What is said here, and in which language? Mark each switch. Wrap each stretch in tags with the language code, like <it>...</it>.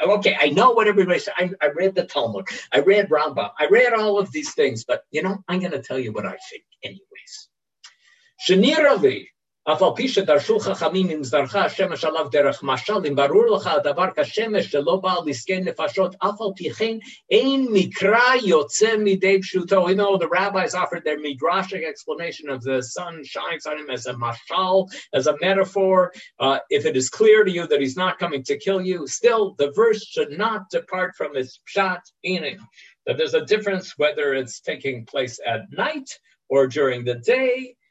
<en>Okay, I know what everybody said. I read the Talmud. I read Rambam. I read all of these things. But, you know, I'm going to tell you what I think anyways.</en> <he>Shenirali. אפעל פי שדרשו חכמים עם זרחה השמש עליו דרך משל, אם ברור לך הדבר כשמש שלא בא לסכן נפשות, אפעל פי כן אין מקרא יוצא מדי פשוטו.</he> <en>You know, the rabbis offered their midrashic explanation of the sun shines on him as a mashal, as a metaphor. If it is clear to you that he's not coming to kill you, still the verse should not depart from its pshat, meaning that there's a difference whether it's taking place at night or during the day.</en>